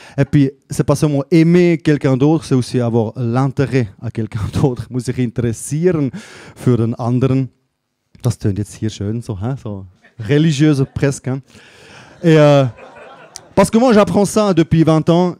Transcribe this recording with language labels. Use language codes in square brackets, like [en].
[fr] Et puis, c'est pas seulement aimer quelqu'un d'autre, c'est aussi avoir l'intérêt à quelqu'un d'autre. [de] Muss sich interessieren für den anderen. Das tönt jetzt hier schön, so, hein? [fr] So religieuse presque. Hein? Et, parce que moi, j'apprends ça depuis 20 ans.